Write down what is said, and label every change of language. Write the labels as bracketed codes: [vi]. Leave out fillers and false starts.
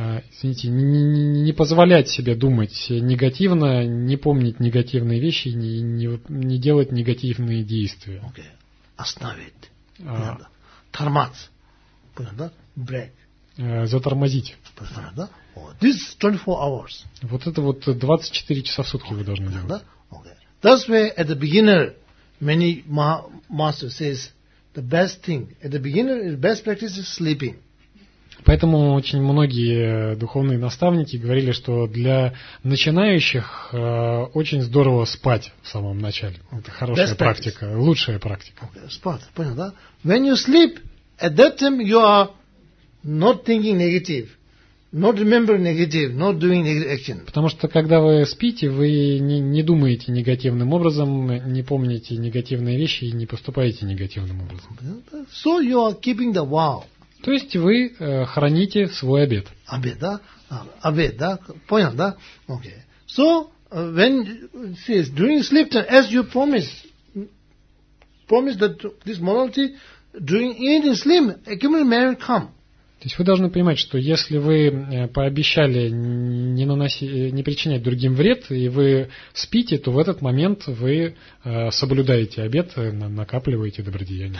[ru] Извините, не позволять себе думать негативно, не помнить негативные вещи, не делать негативные действия. Okay. Остановить. Тормоз. Понятно, да? Брейк. Затормозить. Понятно, да? [en] This is 24 hours. [ru] Вот это вот 24 часа в сутки вы должны делать. Да? Okay. [en] That's why at the beginner, many masters says, the best thing, at the beginner, the best practice is sleeping. [ru] Поэтому очень многие духовные наставники говорили, что для начинающих очень здорово спать в самом начале. Это хорошая [en] best [ru] практика, [en] practice. [ru] Лучшая практика. Спать, okay, понял, да? [en] When you sleep, at that time you are not thinking negative, not remembering negative, not doing negative action. [ru] Потому что когда вы спите, вы не думаете негативным образом, не помните негативные вещи и не поступаете негативным образом. [en] So you are keeping the vow. [ru] То есть вы храните свой обет. Обет, да? Обет, да? Понял, да? Okay. [en] So, when says during sleep time, as you promise that this morality during eating sleep, accumulated memory come. [ru] То есть вы должны понимать, что если вы пообещали не причинять другим вред, и вы спите, то в этот момент вы соблюдаете обет, накапливаете добродеяния.